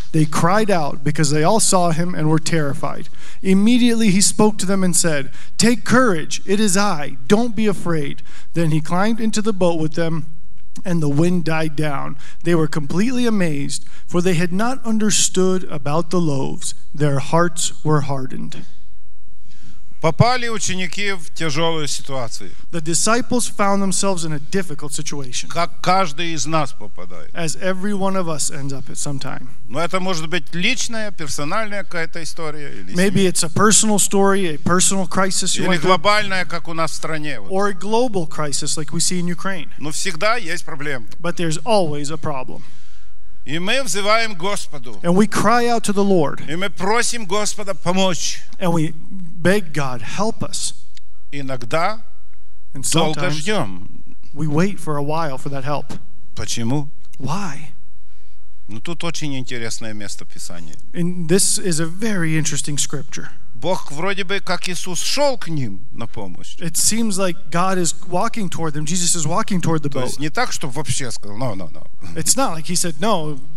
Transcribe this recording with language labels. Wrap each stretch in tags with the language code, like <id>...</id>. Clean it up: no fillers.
<en>They cried out because they all saw him and were terrified. Immediately he spoke to them and said, "Take courage, it is I, don't be afraid." Then he climbed into the boat with them, and the wind died down. They were completely amazed, for they had not understood about the loaves. Their hearts were hardened.</en> <ru>Попали ученики в тяжелую ситуацию.</ru> <en>The disciples found themselves in a difficult situation.</en> <ru>Как каждый из нас попадает.</ru> <en>As every one of us ends up at some time.</en> <ru>Но это может быть личная, персональная какая-то история. Или</ru> <en>Maybe it's a personal story, a personal crisis.</en> <ru>Или глобальная, как у нас в стране. Вот.</ru> <en>Or a global crisis, like we see in Ukraine.</en> <ru>Но всегда есть проблемы.</ru> <en>But there's always a problem.</en> <ru>И мы взываем Господу.</ru> <en>And we cry out to the Lord.</en> <ru>И мы просим Господа помочь.</ru> <en>And we beg God, help us.</en> <ru>Иногда</ru> <en>And</en> <ru>долго ждем.</ru> <en>We wait for a while for that help.</en> <ru>Почему?</ru> <en>Why?</en> <ru>Ну тут очень интересное место Писания.</ru> <en>And this is a very interesting scripture.</en> <ru>Бог вроде бы как Иисус шел к ним на помощь.</ru> <en>It seems like God is walking toward them. Jesus is walking toward the boat.</en> <ru>То есть не так, чтобы вообще сказал,</ru> <en>no. It's not like he said, no,</en>